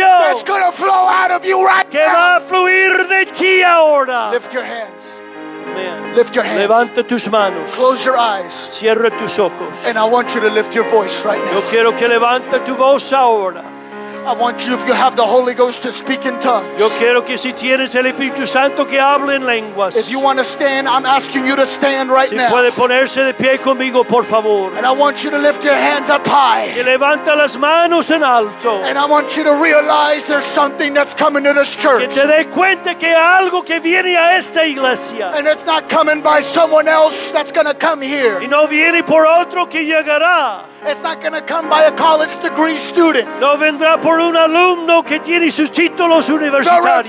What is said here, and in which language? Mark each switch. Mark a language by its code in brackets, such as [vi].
[en] That's going to flow out of you right [es] que [en] now. [es] Va a fluir de ti ahora. [en] Lift your hands. Man. Lift your hands. [es] Levanta tus manos. [en] Close your eyes. [es] Cierra tus ojos. [en] And I want you to lift your voice right now. [es] Yo quiero que levanta tu voz ahora. [en] I want you, if you have the Holy Ghost, to speak in tongues. [es] Yo quiero que si tienes el Espíritu Santo que hable en lenguas. [en] If you want to stand, I'm asking you to stand right [es] si [en] now. [es] Si puede ponerse de pie conmigo, por favor. [en] And I want you to lift your hands up high. [es] Y levanta las manos en alto. [en] And I want you to realize there's something that's coming to this church. [es] Que te dé cuenta que hay algo que viene a esta iglesia. [en] And it's not coming by someone else that's going to come here. [es] Y no viene por otro que llegará. [en] It's not going to come by a college degree student. [es] No vendrá por un alumno que tiene sus títulos universitarios.